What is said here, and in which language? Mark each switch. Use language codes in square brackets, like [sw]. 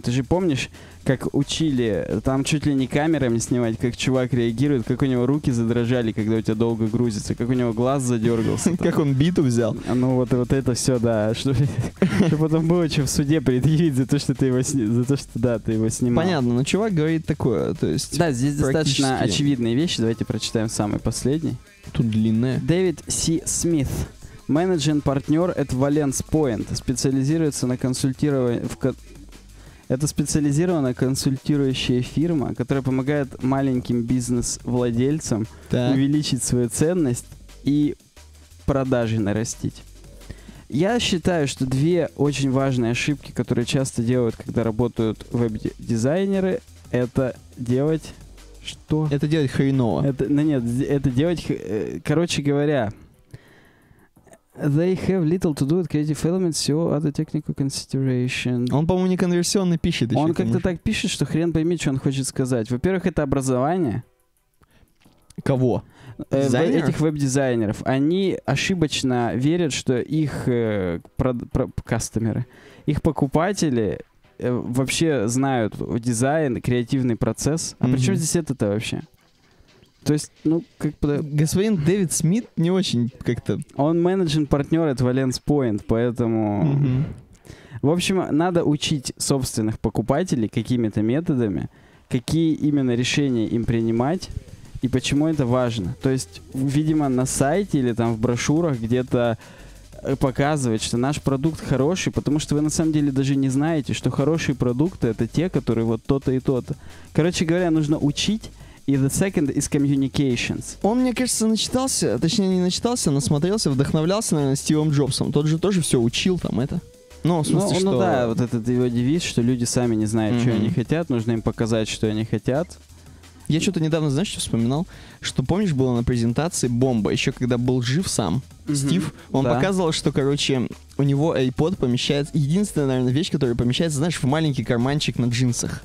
[ru] Ты же помнишь, как учили там чуть ли не камерами снимать, как чувак реагирует, как у него руки задрожали, когда у тебя долго грузится, как у него глаз задергался. Как он биту взял. Ну, вот это все, да. Что потом было, что в суде предъявить за то, что ты его снимал. За то, что, да, ты его снимал. Понятно, но чувак говорит такое, то есть... Да, здесь достаточно очевидные вещи. Давайте прочитаем самый последний. Тут длинное. Дэвид Си Смит. Менеджинг партнер at Valence Point. Специализируется на консультировании... Это специализированная консультирующая фирма, которая помогает маленьким бизнес-владельцам, так, увеличить свою ценность и продажи нарастить. Я считаю, что две очень важные ошибки, которые часто делают, когда работают веб-дизайнеры, это делать... Что? Это делать хреново. Это, ну нет, это делать... Короче говоря... [en] They have little to do with creative elements, so other technical consideration. [ru] Он, по-моему, неконверсионно пишет. Он как-то так пишет, что хрен пойми, что он хочет сказать. Во-первых, это образование. Кого? Этих веб-дизайнеров. Они ошибочно верят, что их кастомеры, их покупатели вообще знают дизайн, креативный процесс. А при чем здесь это-то вообще? То есть, ну, как бы... Господин Дэвид Смит не очень как-то... Он менеджер-партнер от Valence Point, поэтому... В общем, надо учить собственных покупателей какими-то методами, какие именно решения им принимать и почему это важно. То есть, видимо, на сайте или там в брошюрах где-то показывать, что наш продукт хороший, потому что вы на самом деле даже не знаете, что хорошие продукты — это те, которые вот то-то и то-то. Короче говоря, нужно учить. И [en] the second is communications. [ru] Он, мне кажется, начитался, точнее, не начитался, насмотрелся, вдохновлялся, наверное, Стивом Джобсом. Тот же тоже все учил там это. Ну, в смысле, ну, что... Ну да, вот этот его девиз, что люди сами не знают, что они хотят, нужно им показать, что они хотят. Я что-то недавно, знаешь, что вспоминал? Что, помнишь, было на презентации бомба, еще когда был жив сам Стив, он показывал, что, короче, у него iPod помещается, единственная, наверное, вещь, которая помещается, знаешь, в маленький карманчик на джинсах.